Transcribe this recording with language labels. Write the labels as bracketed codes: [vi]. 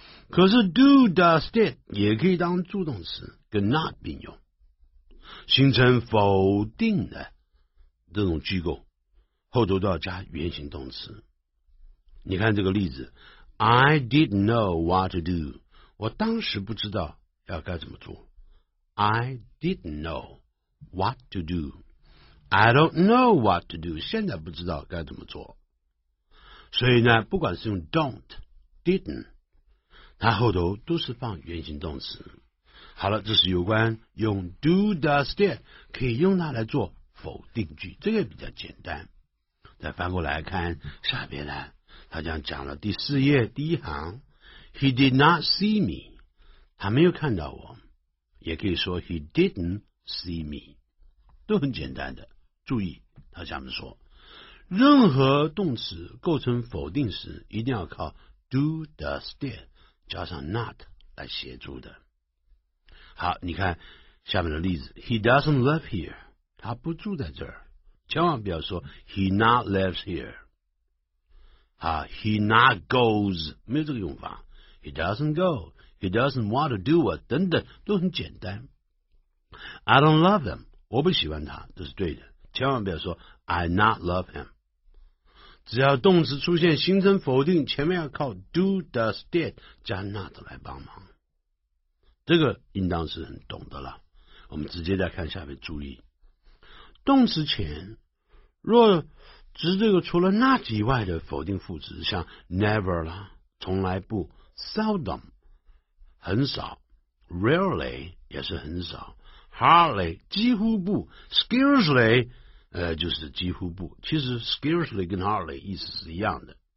[zh] 可是 do does did 也可以当助动词跟 not 并用，形成否定的这种句构，后头都要加原形动词。你看这个例子， [en] I didn't know what to do， [zh] 我当时不知道要该怎么做。 [en] I didn't know what to do， I don't know what to do， [zh] 现在不知道该怎么做。所以呢，不管是用 don't didn't， 它后头都是放原形动词。好了，这是有关用 do does did 可以用它来做否定句，这个比较简单。再翻过来看下边呢，他讲讲了第四页第一行， [en] He did not see me， [zh] 他没有看到我，也可以说 [en] he didn't see me， [zh] 都很简单的。注意他下面说，任何动词构成否定时一定要靠 do does did 加上 not 来协助的。好，你看下面的例子， [en] he doesn't live here， [zh] 他不住在这儿，千万不要说 [en] he not lives here， 好， he not goes [zh] 没有这个用法， [en] he doesn't goGo. He doesn't want to do it [zh] 等等，都很简单。 [en] I don't love him， [zh] 我不喜欢他，这是对的，千万不要说 [en] I not love him。 [zh] 只要动词出现形成否定，前面要靠 do does did 加 not 来帮忙，这个应当是很懂的了。我们直接再看下面，注意动词前若只这个除了 not 以外的否定副词，像 never 啦，从来不， seldom很少， rarely 也是很少， hardly 几乎不， scarcely 就是几乎不，其实 scarcely 跟 hardly 意思是一样的。